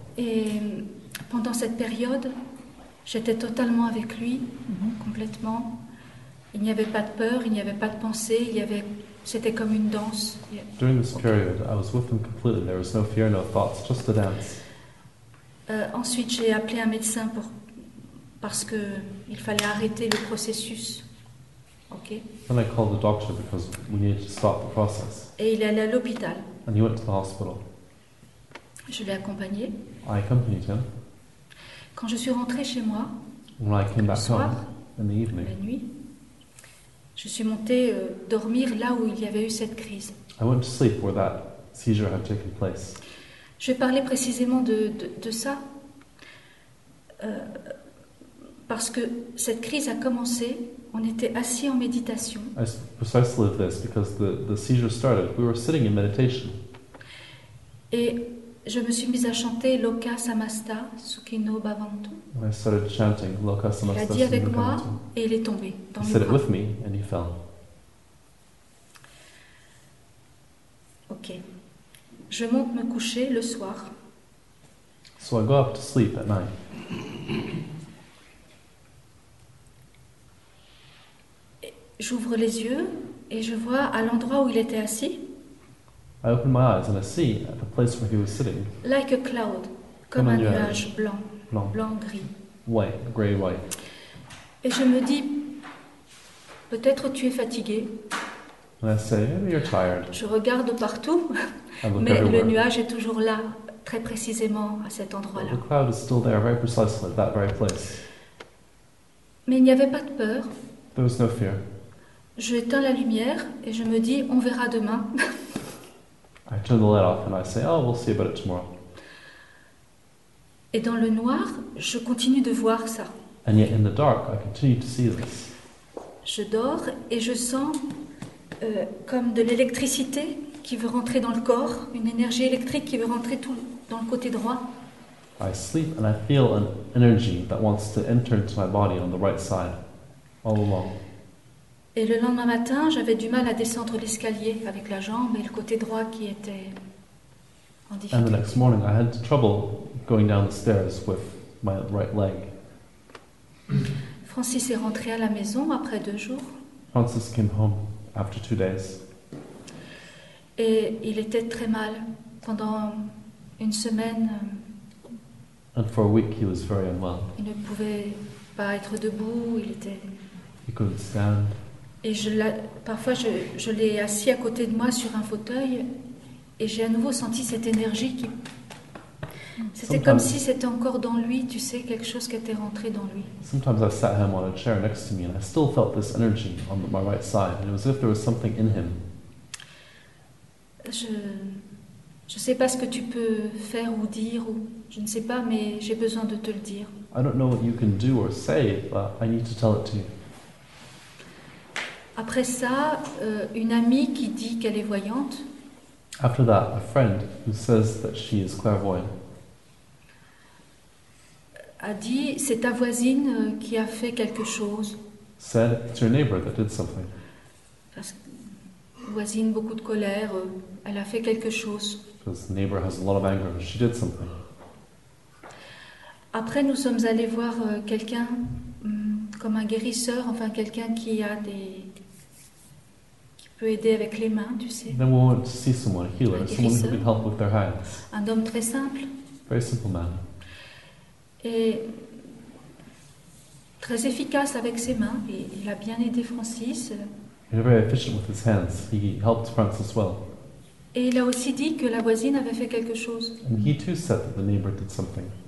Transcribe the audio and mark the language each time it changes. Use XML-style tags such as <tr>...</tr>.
<fr>Et pendant cette période, j'étais totalement avec lui, complètement. Il n'y avait pas de peur, il n'y avait pas de pensée, il y avait... C'était comme une danse. Yeah.</fr> <en>During this period, I was with him completely. There was no fear, no thoughts, just a dance.</en> <fr>Ensuite, j'ai appelé un médecin parce que il fallait arrêter le processus.</fr> <en>Okay. Then I called the doctor because we needed to stop the process.</en> <fr>Et il est allé à l'hôpital.</fr> <en>And he went to the hospital.</en> <fr>Je l'ai accompagné.</fr> <en>I accompanied him.</en> <fr>Quand je suis rentrée chez moi,</fr> <en>when I came back</en> <fr>soir,</fr> <en>home, in the evening,</en> <fr>la nuit. Je suis montée dormir là où il y avait eu cette crise.</fr> <en>I went to sleep where that seizure had taken place.</en> <fr>Je vais parler précisément de ça. Parce que cette crise a commencé, on était assis en méditation.</fr> <en>I spoke precisely of this because the seizure started. We were sitting in meditation.</en> <fr>Et je me suis mise à chanter Loka Samasta Sukhino Bhavantu.</fr> <en>I started chanting Loka Samasta Sukhino</en> <fr>Bhavantu. Il a dit avec moi et il est tombé dans mes bras.</fr> <en>He said it with me and he fell.</en> <fr>Ok. Je monte me coucher le soir.</fr> <en>So I go up to sleep at night.</en> <fr>J'ouvre les yeux et je vois à l'endroit où il était assis.</fr> <en>I opened my eyes and I see at the place where he was sitting. Like a cloud,</en> <fr>comme un nuage blanc, blanc gris.</fr> <en>white, gray, white.</en> <fr>Et je me dis, peut-être tu es fatigué.</fr> <en>And I say, maybe you're tired.</en> <fr>Je regarde partout, mais le nuage est toujours là, très précisément à cet endroit-là.</fr> <en>But the cloud is still there, very precisely at that very place.</en> <fr>Mais il n'y avait pas de peur.</fr> <en>There was no fear.</en> <fr>Je éteins la lumière et je me dis, on verra demain.</fr> <en>I turn the light off and I say, oh, we'll see about it tomorrow.</en> <fr>Et dans le noir, je continue de voir ça.</fr> <en>And yet in the dark, I continue to see this.</en> <fr>Je dors et je sens comme de l'électricité qui veut rentrer dans le corps, une énergie électrique qui veut rentrer tout dans le côté droit.</fr> <en>I sleep and I feel an energy that wants to enter into my body on the right side, all along.</en> <fr>Et le lendemain matin, j'avais du mal à descendre l'escalier avec la jambe et le côté droit qui était en difficulté.</fr> <en>And the next morning, I had trouble going down the stairs with my right leg.</en> <fr>Francis est rentré à la maison après 2 jours.</fr> <en>Francis came home after 2 days.</en> <fr>Et il était très mal pendant une semaine.</fr> <en>And for a week, he was very unwell.</en> <fr>Il ne pouvait pas être debout, il était...</fr> <en>He couldn't stand.</en> <fr>Et parfois je l'ai assis à côté de moi sur un fauteuil et j'ai à nouveau senti cette énergie qui... C'était</fr> <en>sometimes,</en> <fr>comme si c'était encore dans lui, tu sais, quelque chose qui était rentré dans lui.</fr> <en>Sometimes I sat him on a chair next to me and I still felt this energy on my right side. And it was as if there was something in him.</en> <fr>Je ne sais pas ce que tu peux faire ou dire, ou je ne sais pas, mais j'ai besoin de te le dire.</fr> <en>I don't know what you can do or say, but I need to tell it to you.</en> <fr>Après ça, une amie qui dit qu'elle est voyante.</fr> <en>After that, a friend who says that she is clairvoyant.</en> <fr>A dit, c'est ta voisine qui a fait quelque chose.</fr> <en>Said, it's your neighbor that did something.</en> <fr>Parce que, voisine, beaucoup de colère, elle a fait quelque chose.</fr> <en>Because the neighbor has a lot of anger, but she did something.</en> <fr>Après, nous sommes allés voir quelqu'un comme un guérisseur, enfin quelqu'un qui a des... aider avec les mains, tu sais.</fr> <en>Then we want to see someone, a healer, someone who can help with their hands.</en> <fr>Un homme très simple.</fr> <en>Very simple man.</en> <fr>Et très efficace avec ses mains. Il a bien aidé Francis.</fr> <en>He was very efficient with his hands. He helped Francis well.</en> <fr>Et il a aussi dit que la voisine avait fait quelque chose.</fr> <en>And he too said that the neighbor did something.</en>